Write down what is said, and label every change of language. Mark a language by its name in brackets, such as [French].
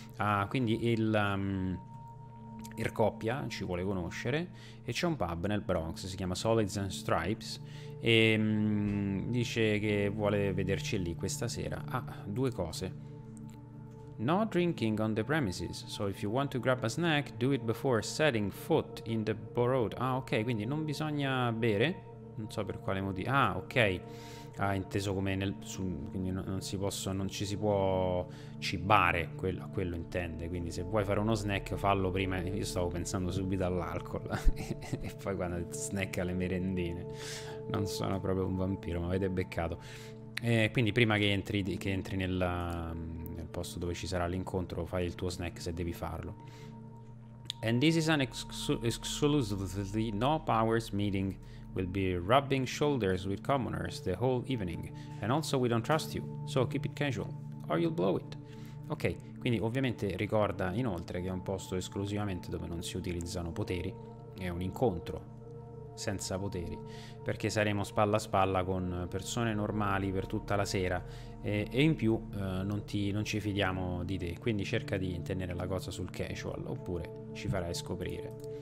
[Italian] Quindi il... Ir coppia ci vuole conoscere e c'è un pub nel Bronx, si chiama Solids and Stripes, e dice che vuole vederci lì questa sera. Due cose. [English] No drinking on the premises, so if you want to grab a snack, do it before setting foot in the borough. [Italian] Ok, quindi non bisogna bere, non so per quale motivo. Inteso come nel quindi non ci si può cibare, quello intende, quindi se vuoi fare uno snack fallo prima. Io stavo pensando subito all'alcol e poi quando snack alle merendine, non sono proprio un vampiro, ma avete beccato. Quindi prima che entri nel posto dove ci sarà l'incontro, fai il tuo snack se devi farlo. [English] And this is an exclusively no powers meeting. We'll be rubbing shoulders with commoners the whole evening. And also we don't trust you, so keep it casual, or you'll blow it. [Italian] Ok, quindi ovviamente ricorda inoltre che è un posto esclusivamente dove non si utilizzano poteri. È un incontro senza poteri, perché saremo spalla a spalla con persone normali per tutta la sera. E in più non ci fidiamo di te, quindi cerca di tenere la cosa sul casual, oppure ci farai scoprire.